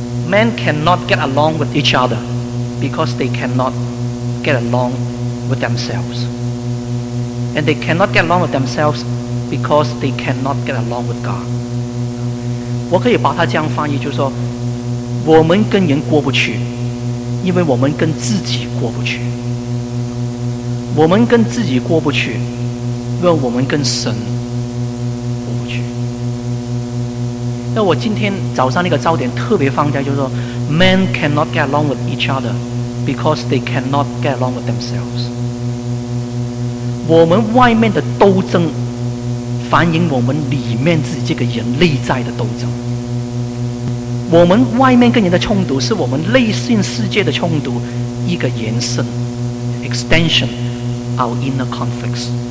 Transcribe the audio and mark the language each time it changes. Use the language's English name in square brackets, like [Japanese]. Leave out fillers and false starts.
[English] Men cannot get along with each other because they cannot get along with themselves. And they cannot get along with themselves because they cannot get along with God. [Chinese] 我可以把它这样翻译，就是说，我们跟人过不去，因为我们跟自己过不去。我们跟自己过不去，因为我们跟神过不去。那我今天早上那个焦点特别放在，就是说 [English] ，Men cannot get along with each other because they cannot get along with themselves。 [Chinese] 我们外面的斗争，反映我们里面自己这个人内在的斗争。我们外面跟人的冲突，是我们内心世界的冲突一个延伸 ，extension。 [English] Our inner conflicts.